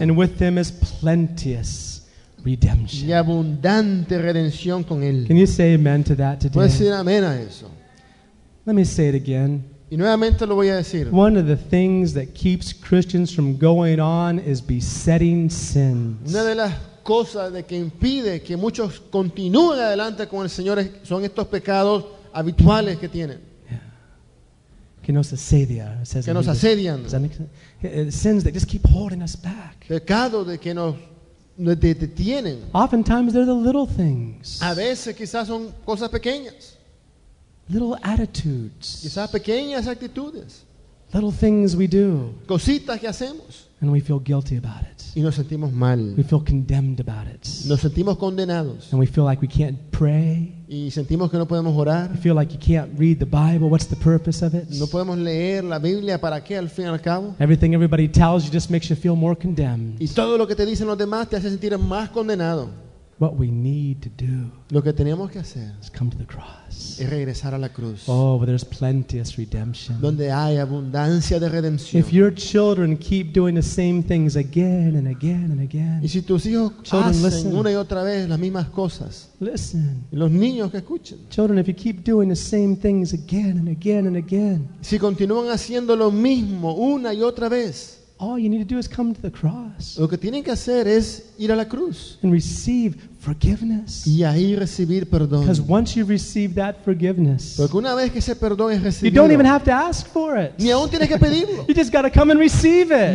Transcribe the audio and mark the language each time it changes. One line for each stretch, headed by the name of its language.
English: And with him is plenteous redemption.
Spanish: Y abundante redención con él.
English: Can you say amen to that today?
Spanish: ¿Puedes decir amén a eso?
English: Let me say it again.
Spanish: Y nuevamente lo voy a decir.
English: One of the things that keeps Christians from going on is besetting sins.
Spanish: Una de las cosas de que impide que muchos continúen adelante con el Señor son estos pecados habituales que tienen. Que nos asedian. Que nos asedian.
English: Sins that just keep holding us back.
Spanish: Pecados de que nos detienen.
English: Oftentimes they're the little things.
Spanish: A veces quizás son cosas pequeñas.
English: Little attitudes.
Spanish: Quizás pequeñas actitudes.
English: Little things we do.
Spanish: Cositas que hacemos.
English: And we feel guilty about it.
Spanish: Y nos sentimos mal.
English: We feel condemned about it.
Spanish: Nos sentimos condenados.
English: And we feel like we can't pray.
Spanish: Y sentimos que no podemos orar.
English: We feel like you can't read the Bible. What's the purpose of it?
Spanish: No podemos leer la Biblia. ¿Para qué al fin y al cabo?
English: Everything everybody tells you just makes you feel more condemned.
Spanish: Y todo lo que te dicen los demás te hace sentir más condenado.
English: What we need to do,
Spanish: lo que tenemos que hacer,
English: is come to the cross.
Spanish: Es regresar a la cruz.
English: Oh, where there's plenteous redemption.
Spanish: Donde hay abundancia de redención.
English: If your children keep doing the same things again and again and again.
Spanish: Y si tus hijos
English: children,
Spanish: hacen
English: listen.
Spanish: Una y otra vez las mismas cosas.
English: Listen.
Spanish: Y los niños que escuchen.
English: Children, if you keep doing the same things again and again and again.
Spanish: Si continúan haciendo lo mismo una y otra vez.
English: All you need to do is come to the cross.
Spanish: Lo que tienen que hacer es ir a la cruz.
English: And receive forgiveness.
Spanish: Y ahí recibir perdón.
English: Because once you receive that forgiveness,
Spanish: porque una vez que ese perdón es recibido,
English: you don't even have to ask for it.
Spanish: Ni aún tienes que pedirlo.
English: You just got to come and receive it.